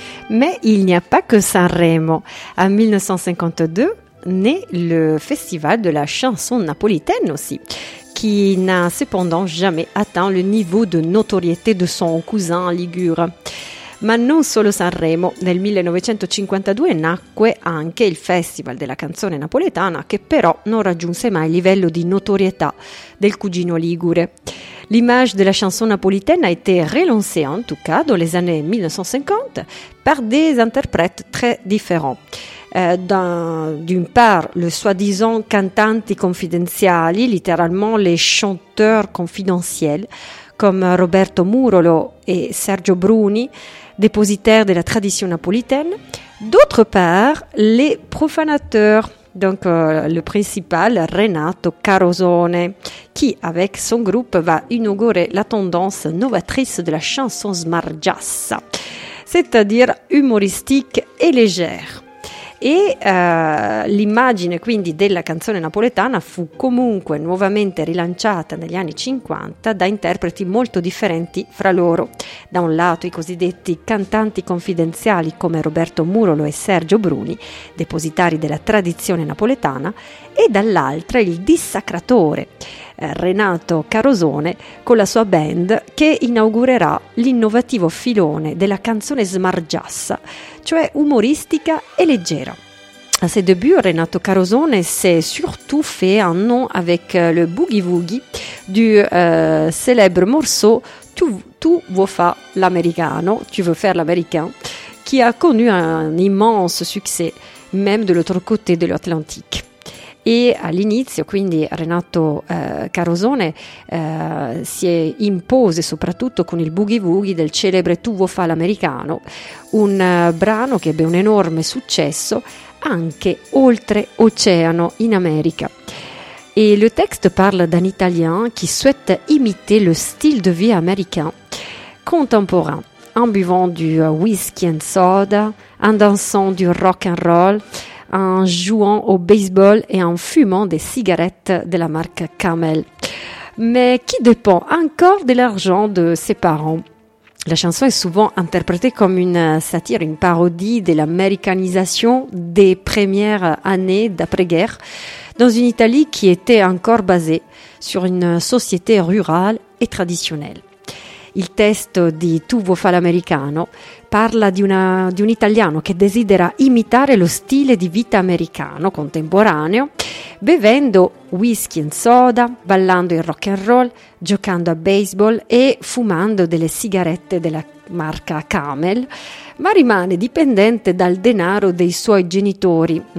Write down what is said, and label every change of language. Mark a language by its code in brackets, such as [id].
[fr] Mais il n'y a pas que Sanremo. En 1952, naît le festival de la chanson napolitaine aussi, qui n'a cependant jamais atteint le niveau de notoriété de son cousin ligure. [it] Ma non solo Sanremo, nel 1952 nacque anche il Festival della Canzone Napoletana, che però non raggiunse mai il livello di notorietà del cugino ligure. [fr] L'image de la chanson napolitaine a été relancée, en tout cas dans les années 1950, par des interprètes très différents. D'une part, le soi-disant cantanti confidenziali, littéralement les chanteurs confidentiels, comme Roberto Murolo et Sergio Bruni, dépositaires de la tradition napolitaine. D'autre part, les profanateurs. Donc le principal, Renato Carosone, qui avec son groupe va inaugurer la tendance novatrice de la chanson smargiassa, c'est-à-dire humoristique et légère. [it] Et l'immagine quindi della canzone napoletana fu comunque nuovamente rilanciata negli anni 50 da interpreti molto differenti fra loro. Da un lato i cosiddetti cantanti confidenziali come Roberto Murolo e Sergio Bruni, depositari della tradizione napoletana, e dall'altra il dissacratore Renato Carosone con la sua band, che inaugurerà l'innovativo filone della canzone smargiassa, cioè umoristica e leggera. [fr] À ses débuts, Renato Carosone s'est surtout fait un nom avec le boogie-woogie du célèbre morceau Tu vuoi fa l'americano, tu veux faire l'américain, qui a connu un immense succès, même de l'autre côté de l'Atlantique. Et à [it] l'inizio, quindi, Renato Carosone si impose soprattutto con il boogie-woogie del célèbre Tu vuoi fa l'americano, un brano che ebbe un enorme successo anche oltre oceano in America. [fr] Et le texte parle d'un italien qui souhaite imiter le style de vie américain contemporain, en buvant du whisky and soda, en dansant du rock and roll, en jouant au baseball et en fumant des cigarettes de la marque Camel. Mais qui dépend encore de l'argent de ses parents? La chanson est souvent interprétée comme une satire, une parodie de l'américanisation des premières années d'après-guerre dans une Italie qui était encore basée sur une société rurale et traditionnelle. [it] Il testo di Tu vuoi fa l'americano parla di un italiano che desidera imitare lo stile di vita americano contemporaneo, bevendo whisky and soda, ballando il rock and roll, giocando a baseball e fumando delle sigarette della marca Camel, ma rimane dipendente dal denaro dei suoi genitori.